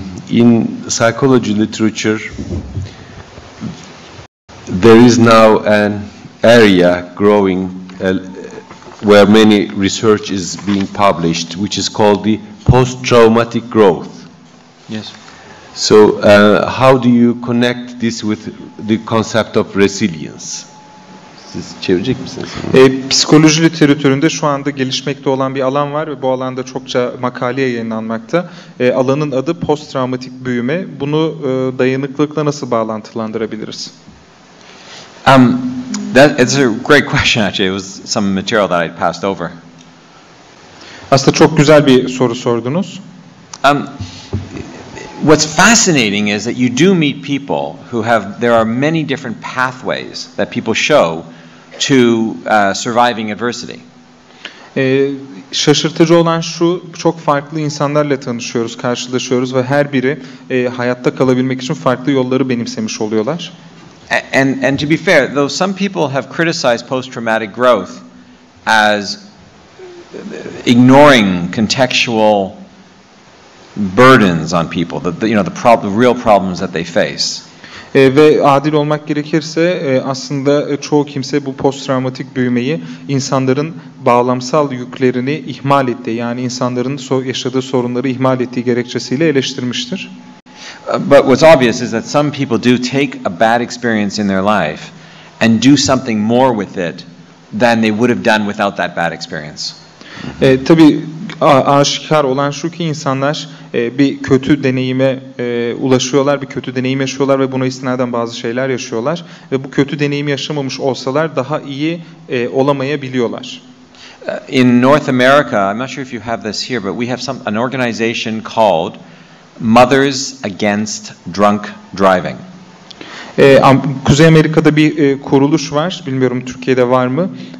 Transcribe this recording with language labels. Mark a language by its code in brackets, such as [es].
[en] In psychology literature, there is now an area growing where many research is being published, which is called the post-traumatic growth. Yes. So how do you connect this with the concept of resilience? [tr] Siz çevirecek misiniz? Psikoloji literatüründe şu anda gelişmekte olan bir alan var ve bu alanda çokça makale yayınlanmakta. Alanın adı post-traumatik büyüme. Bunu dayanıklılıkla nasıl bağlantılandırabiliriz? [en] It's a great question actually. It was some material that I'd passed over. [tr] Aslında çok güzel bir soru sordunuz. [en] What's fascinating is that you do meet people who have there are many different pathways that people show to surviving adversity. [tr] Şaşırtıcı olan şu, çok farklı insanlarla tanışıyoruz, karşılaşıyoruz ve her biri hayatta kalabilmek için farklı yolları benimsemiş oluyorlar. [en] And to be fair, though some people have criticized post-traumatic growth as ignoring contextual burdens on people, the real problems that they face. [tr] Ve adil olmak gerekirse aslında çoğu kimse bu post-traumatik büyümeyi insanların bağlamsal yüklerini ihmal ettiği, yani insanların yaşadığı sorunları ihmal ettiği gerekçesiyle eleştirmiştir. [en] But what's obvious is that some people do take a bad experience in their life and do something more with it than they would have done without that bad experience. [tr] Tabii aşikar olan şu ki insanlar bir kötü deneyime ulaşıyorlar, bir kötü deneyim yaşıyorlar ve buna istinaden bazı şeyler yaşıyorlar. Ve bu kötü deneyimi yaşamamış olsalar daha iyi olamayabiliyorlar. [en] In North America, I'm not sure if you have this here, but we have an organization called Mothers Against Drunk Driving. [tr] Kuzey Amerika'da bir kuruluş var, bilmiyorum Türkiye'de var mı?